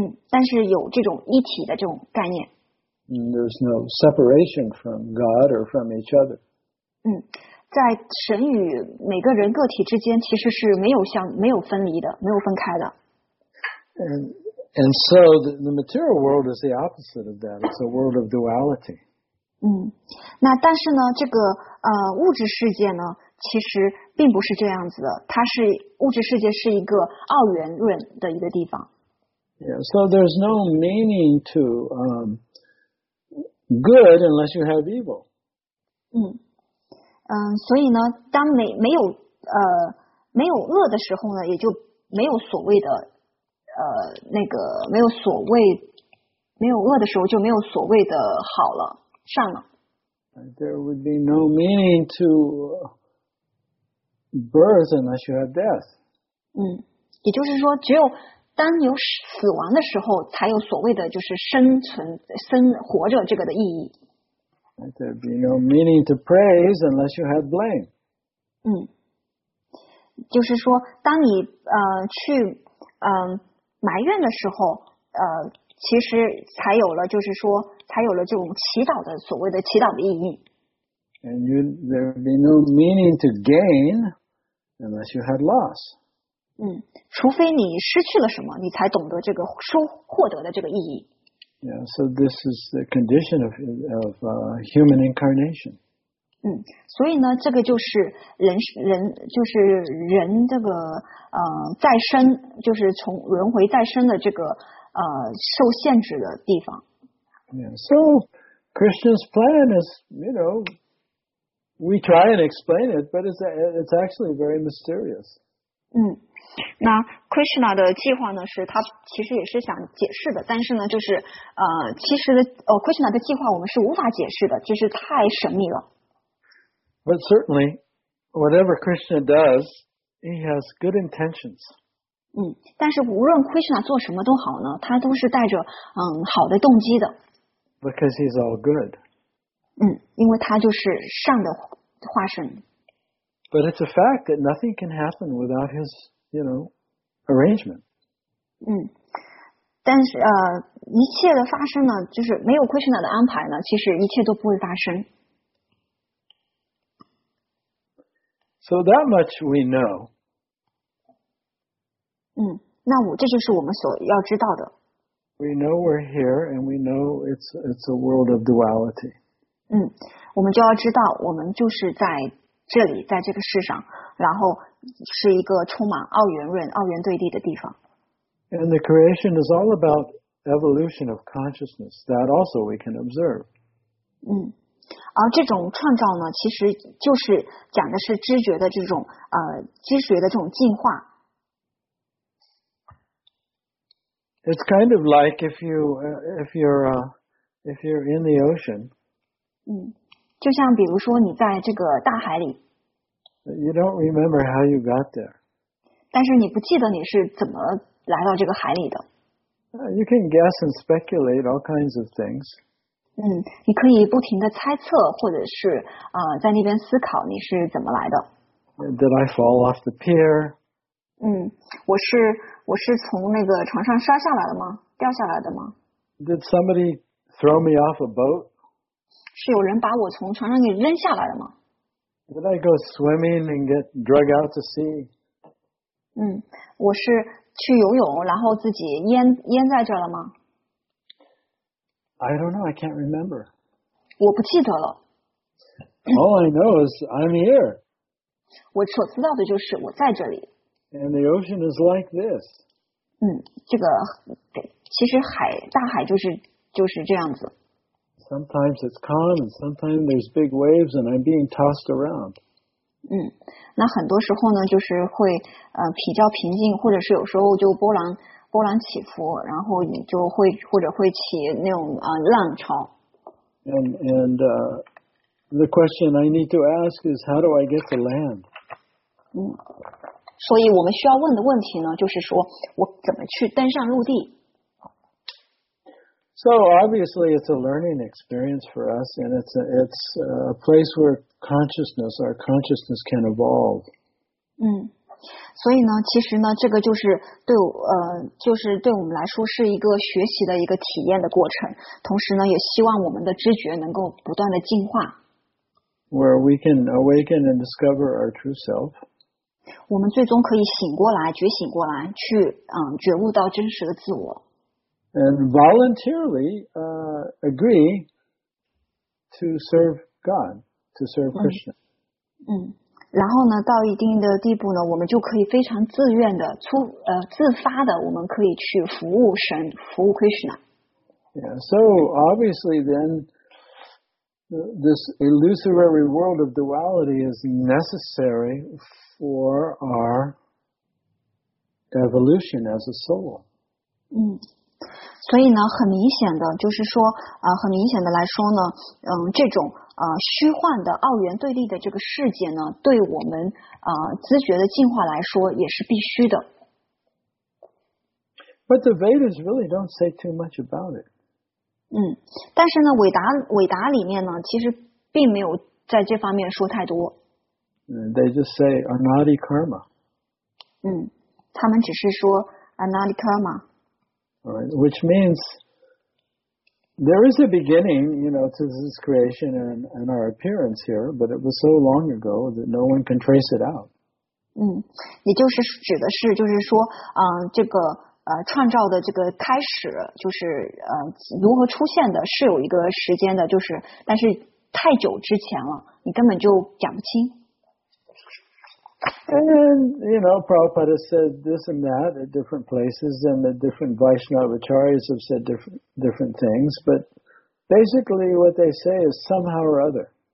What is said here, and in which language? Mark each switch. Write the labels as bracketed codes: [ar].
[zh] 但是有这种一体的这种概念。 [en] There's no separation from God or from each other. [zh] 在神与每个人个体之间其实是没有分离的，没有分开的。 [en] And so the material world is the opposite of that. It's a world of duality. [zh] 那但是呢，这个物质世界呢？其实并不是这样子的，它是物质世界是一个二元论的一个地方。 [en] Yeah, so there's no meaning to good unless you have evil. [zh] 所以呢，当没有恶的时候呢，也就没有所谓的那个没有所谓没有恶的时候就没有所谓的好了善了。 [en] There would be no meaning to birth unless you have death. [zh] 也就是说只有当有死亡的时候才有所谓的就是生存生活着这个的意义。 [en] There'd be no meaning to praise unless you have blame. [zh] 就是说当你去埋怨的时候其实才有了就是说才有了这种祈祷的所谓的祈祷的意义。 [en] And there'd be no meaning to gain. Unless you had loss. [zh] 除非你失去了什么，你才懂得这个获得的这个意义。 [en] Yeah, so this is the condition of human incarnation. [zh] 所以呢，这个就是人就是人这个再生，就是从轮回再生的这个受限制的地方。 [en] Yeah, so Krishna's plan is, you know. We try and explain it, but it's actually very mysterious. [zh] 那 Krishna 的计划呢是他其实也是想解释的，但是呢就是其实Krishna 的计划我们是无法解释的，就是太神秘了。 [en] But certainly, whatever Krishna does, he has good intentions. [zh] 但是无论 Krishna 做什么都好呢，他都是带着好的动机的。 [en] Because he's all good. [zh] 因为它就是善的化身。 [en] But it's a fact that nothing can happen without his, you know, arrangement. [zh] 但是一切的发生呢，就是没有 Krishna 的安排呢，其实一切都不会发生。 [en] So that much we know. [zh] 那这就是我们所要知道的。 [en] We know we're here, and we know it's a world of duality. [zh] 我们就要知道我们就是在这里在这个世上然后是一个充满二元论二元对立的地方。 [en] And the creation is all about evolution of consciousness, that also we can observe. [zh] 而这种创造呢其实就是讲的是知觉的这种知觉的这种进化。 [en] It's kind of like if you're in the ocean, [zh] 就像比如说你在这个大海里。 [en] You don't remember how you got there. [zh] 但是你不记得你是怎么来到这个海里的。 [en] You can guess and speculate all kinds of things. [zh] 你可以不停地猜测或者是在那边思考你是怎么来的。 [en] Did I fall off the pier? [zh] 我是从那个船上摔下来的吗？掉下来的吗？ [en] Did somebody throw me off a boat? [zh] 是有人把我从船上给扔下来的吗？ [en] Did I go swimming and get drug out to sea? [zh] 我是去游泳然后自己淹在这了吗？ [en] I don't know, I can't remember. [zh] 我不记得了。 [en] All I know is I'm here. [zh] 我所知道的就是我在这里。 [en] And the ocean is like this. [zh] 这个其实大海就是这样子。 [en] Sometimes it's calm and sometimes there's big waves and I'm being tossed around. [zh] 那很多时候呢就是会比较平静或者是有时候就波澜起伏然后你就会或者会起那种浪潮。 [en] And the question I need to ask is how do I get to land? [zh] 所以我们需要问的问题呢就是说我怎么去登上陆地。 [en] So obviously it's a learning experience for us and it's a place where our consciousness can evolve. [zh] 所以呢其实呢这个就是对我们来说是一个学习的一个体验的过程同时呢也希望我们的知觉能够不断的进化。 [en] Where we can awaken and discover our true self. [zh] 我们最终可以醒过来觉醒过来去觉悟到真实的自我。 [en] And voluntarily, agree to serve God, to serve Krishna. [zh] 然后呢到一定的地步呢我们就可以非常自愿的自发的我们可以去服务神服务 Krishna. [en] Yeah, so obviously then, this illusory world of duality is necessary for our evolution as a soul. [zh] 所以呢很明显的就是说很明显的来说呢这种虚幻的二元对立的这个世界呢对我们知觉的进化来说也是必须的。 [en] But the Vedas really don't say too much about it. [zh] 但是呢伟达里面呢其实并没有在这方面说太多。 [en] They just say anadi karma. [zh] 他们只是说 anadi karma. [en] Right, which means there is a beginning, you know, to this creation and our appearance here, but it was so long ago that no one can trace it out. [zh] 也就是指的是就是说这个创造的这个开始就是如何出现的是有一个时间的就是但是太久之前了你根本就讲不清。 [en] And then, you know, Prabhupada said this and that at different places, and the different Vaishnavacharyas have said different things, but basically what they say is somehow or other.